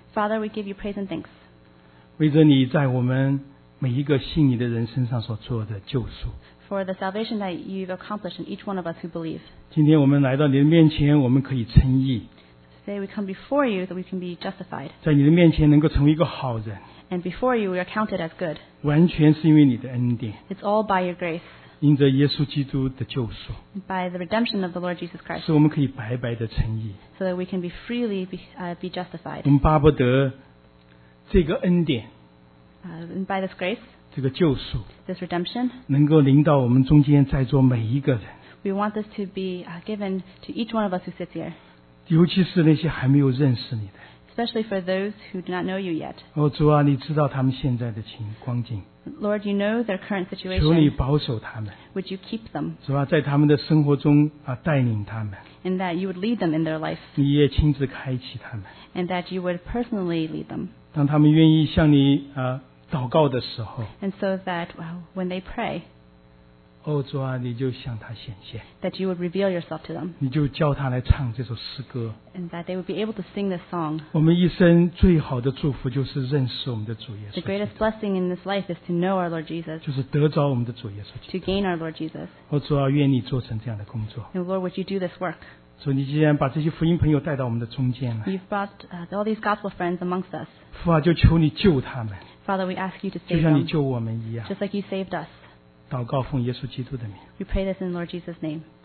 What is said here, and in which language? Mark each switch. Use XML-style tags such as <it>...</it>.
<en>Father, we give you praise and thanks.</en> <zh>为着你在我们每一个信你的人身上所做的救赎。</zh> <en>For the salvation that you've accomplished in each one of us who believe.</en> <zh>今天我们来到你的面前，我们可以称义。</zh> <en>Today we come before you that we can be justified.</en> <zh>在你的面前能够成为一个好人。</zh> <en>And before you we are counted as good.</en> <zh>完全是因为你的恩典。</zh> <en>It's all by your grace.</en> <zh>因着耶稣基督的救赎。</zh> <en>By the redemption of the Lord Jesus Christ.</en> <zh>使我们可以白白的称义。</zh> <en>So that we can be freely be justified.</en> <zh>我们巴不得这个恩典。</zh> <en>By this grace,</en> <zh>这个救赎</zh> <en>this redemption,</en> <zh>能够临到我们中间在座每一个人</zh> <en>We want this to be given to each one of us who sits here</en> <zh>尤其是那些还没有认识你的</zh> <en>Especially for those who do not know you yet</en> <zh>哦，主啊，你知道他们现在的光景</zh> <en>Lord, you know their current situation</en> <zh>求你保守他们</zh> <en>Would you keep them?</en> <zh>主啊，在他们的生活中带领他们</zh> <en>And that you would lead them in their life</en> <zh>你也亲自开启他们</zh> <en>And that you would personally lead them</en> <zh>当他们愿意向你祷告的时候</zh> <en>and so that when they pray,</en> <zh>哦主啊，你就向他显现</zh> <en>that you would reveal yourself to them,</en> <zh>你就叫他来唱这首诗歌</zh> <en>and that they would be able to sing this song.</en> <zh>我们一生最好的祝福就是认识我们的主耶稣</zh> <en>The greatest blessing in this life is to know our Lord Jesus.</en> <zh>就是得着我们的主耶稣</zh> <en>To gain our Lord Jesus.</en> <zh>哦主啊，愿你做成这样的工作</zh> <en>And Lord, would you do this work?</en> <zh>主，你既然把这些福音朋友带到我们的中间来</zh> <en>You've brought all these gospel friends amongst us.</en> <zh>父啊，就求你救他们</zh> <en>Father, we ask you to save them,</en> <zh>就像你救我们一样</zh> <en>just like you saved us.</en> <zh>祷告奉耶稣基督的名</zh> <en>We pray this in Lord Jesus' name.</en>